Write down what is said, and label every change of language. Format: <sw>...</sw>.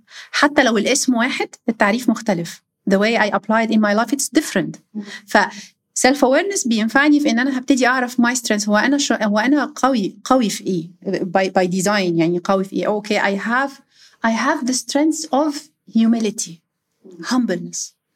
<ar>حتى لو الاسم واحد التعريف مختلف.</ar> <en>The way I apply it in my life, it's different.</en> <ar>Self-awareness بينفعني في إن أنا هبتدي أعرف</ar> <en>my strengths.</en> <ar>هو أنا قوي في إيه</ar> <en>by design</en> <ar>يعني قوي في إيه.</ar> <en>Okay, I have the strengths of humility, humbleness.</en>